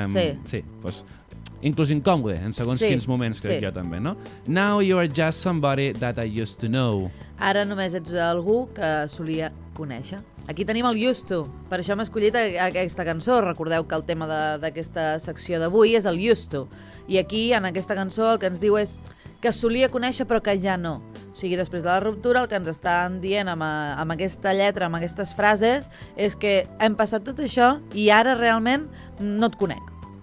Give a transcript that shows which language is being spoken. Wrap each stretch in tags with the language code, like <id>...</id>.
<ca>Sí, pues, inclús incòmode, en segons sí. Quins moments, crec sí. Jo també, no?</ca> <en>Now you are just somebody that I used to know.</en> <ca>Ara només ets algú que solia conèixer. Aquí tenim el Used To. Per això hem escollit aquesta cançó. Recordeu que el tema d'aquesta secció d'avui és el Used To. I aquí, en aquesta cançó, el que ens diu és que solia conèixer però que ja no. O sigui, després de la ruptura, el que ens estan dient amb aquesta lletra, amb aquestes frases, és que hem passat tot això i ara realment no et conec.</ca>